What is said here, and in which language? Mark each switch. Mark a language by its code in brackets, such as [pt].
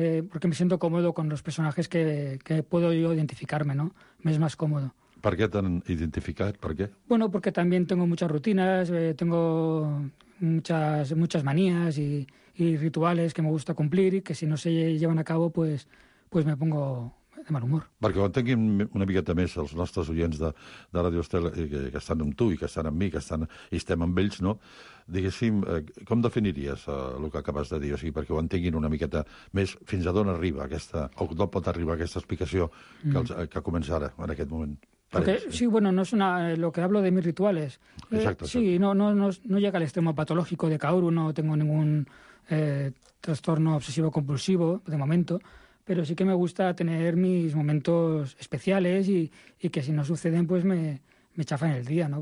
[es] porque me siento cómodo con los personajes que puedo yo identificarme, ¿no? Me es más cómodo. ¿Por qué tan identificado? ¿Por qué? Bueno, porque también tengo muchas rutinas, tengo muchas manías y rituales que me gusta cumplir y que si no se llevan a cabo, pues me pongo... de mal humor. [ca] Perquè ho entenguin una miqueta més els nostres oients de Radio Estel que estan amb tu i que estan amb mi, i estem amb ells, no? Diguéssim, com definiries el que acabes de dir? O sigui, perquè ho entenguin una miqueta més, fins a d'on arriba aquesta, o d'on pot arribar aquesta explicació que comença ara, en aquest moment. [es] Porque, sí, bueno, no es una... lo que hablo de mis rituales. Exacto. Sí, no llega al extremo patológico de Kaoru, no tengo ningún trastorno obsesivo-compulsivo de momento, pero sí que me gusta tener mis momentos especiales y que si no suceden, pues me chafan el día, ¿no?